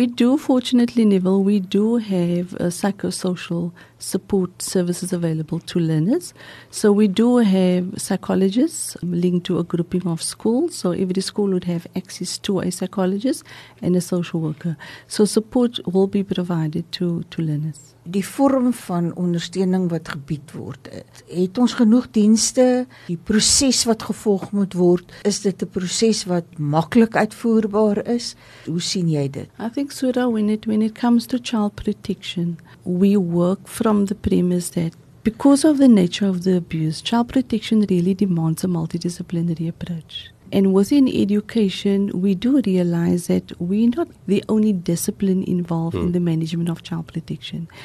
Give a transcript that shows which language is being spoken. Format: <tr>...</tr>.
<en>We do, fortunately, Neville, we do have a psychosocial support services available to learners. So we do have psychologists linked to a grouping of schools. So every school would have access to a psychologist and a social worker. So support will be provided to learners.</en> <af>Die vorm van ondersteuning wat gebied word, het ons genoeg dienste? Die proses wat gevolg moet word, is dit 'n proses wat maklik uitvoerbaar is? Hoe sien jy dit?</af> <en>I think, Sura, when it comes to child protection, we work from the premise that because of the nature of the abuse, child protection really demands a multidisciplinary approach. And within education, we do realize that we're not the only discipline involved in the management of child protection.</en>